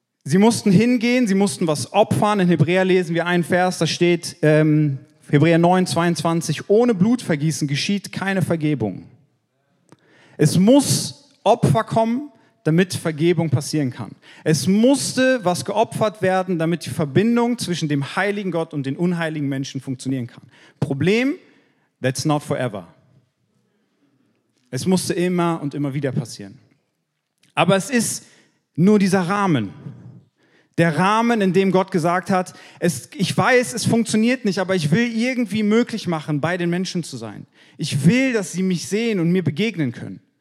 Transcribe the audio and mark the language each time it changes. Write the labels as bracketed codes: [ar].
[de] Sie mussten hingehen, sie mussten was opfern. In Hebräer lesen wir einen Vers, da steht Hebräer 9, 22, ohne Blutvergießen geschieht keine Vergebung. Es muss Opfer kommen, damit Vergebung passieren kann. Es musste was geopfert werden, damit die Verbindung zwischen dem heiligen Gott und den unheiligen Menschen funktionieren kann. [en] Problem, that's not forever. [de] Es musste immer und immer wieder passieren. Aber es ist nur dieser Rahmen. Der Rahmen, in dem Gott gesagt hat, ich weiß, es funktioniert nicht, aber ich will irgendwie möglich machen, bei den Menschen zu sein. Ich will, dass sie mich sehen und mir begegnen können.